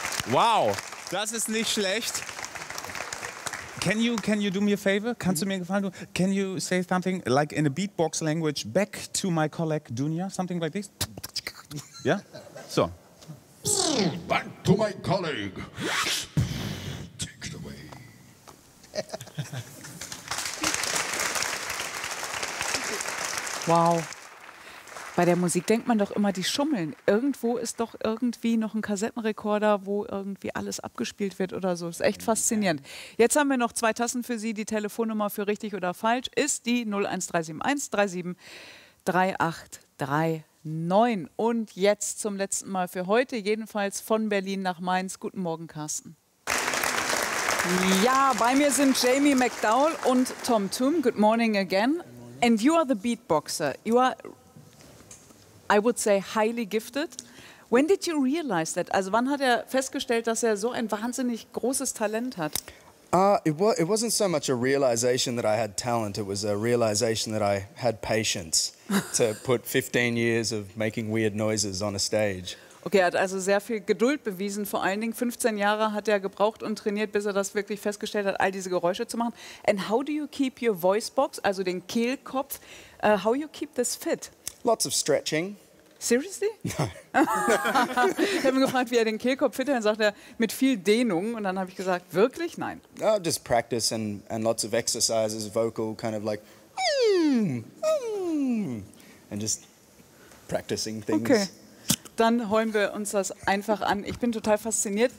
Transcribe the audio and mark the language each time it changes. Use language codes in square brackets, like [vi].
[de] Wow, das ist nicht schlecht. [en] Can you do me a favor? [de] Kannst du mir einen Gefallen tun? [en] Can you say something like in a beatbox language back to my colleague Dunja? Something like this? Ja? So. Back to my colleague. Take it away. Wow. [de] Bei der Musik denkt man doch immer, die schummeln. Irgendwo ist doch irgendwie noch ein Kassettenrekorder, wo irgendwie alles abgespielt wird oder so. Ist echt faszinierend. Jetzt haben wir noch zwei Tassen für Sie. Die Telefonnummer für richtig oder falsch ist die 01371 37 38 39. Und jetzt zum letzten Mal für heute, jedenfalls von Berlin nach Mainz. Guten Morgen, Carsten. Ja, bei mir sind Jamie McDowell und Tom Thumb. [en] Good morning again. And you are the beatboxer. You are, I would say, highly gifted. When did you realize that? [de] Also, wann hat er festgestellt, dass er so ein wahnsinnig großes Talent hat? [en] It wasn't so much a realization that I had talent. It was a realization that I had patience to put 15 years of making weird noises on a stage. [de] Okay, er hat also sehr viel Geduld bewiesen. Vor allen Dingen 15 Jahre hat er gebraucht und trainiert, bis er das wirklich festgestellt hat, all diese Geräusche zu machen. [en] And how do you keep your voice box, [de] also den Kehlkopf, [en] how you keep this fit? Lots of stretching. Seriously? [de] Nein. Ich habe ihn gefragt, wie er den Kehlkopf fit hält. Dann sagt er, mit viel Dehnung. Und dann habe ich gesagt, wirklich? Nein. [en] Oh, just practice and lots of exercises, vocal, kind of like, and just practicing things. Okay. [de] Dann heulen wir uns das einfach an. Ich bin total fasziniert.